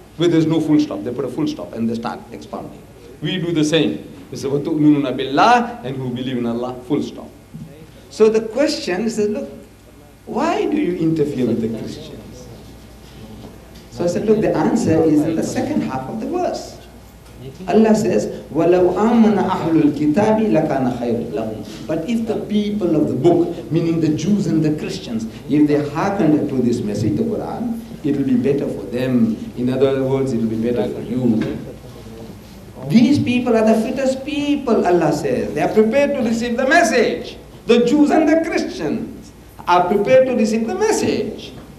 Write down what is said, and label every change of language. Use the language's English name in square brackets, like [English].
[English] Where there's no full stop, they put a full stop and they start expounding. We do the same. We say, [Arabic] وَتُؤْمِنُونَ بِاللَّهِ [English] and who believe in Allah, full stop. So the question is, look, why do you interfere with the Christians? So I said, look, the answer is in the second half of the verse. Allah says, [Arabic] وَلَوْ آمَنَ أَحْلُ الْكِتَابِ لَكَانَ خَيْرٌ لَهُمْ. [English] But if the people of the book, meaning the Jews and the Christians, if they hearkened to this message, the Quran, it will be better for them. In other words, it will be better for you. These people are the fittest people, Allah says. They are prepared to receive the message. The Jews and the Christians are prepared to receive the message.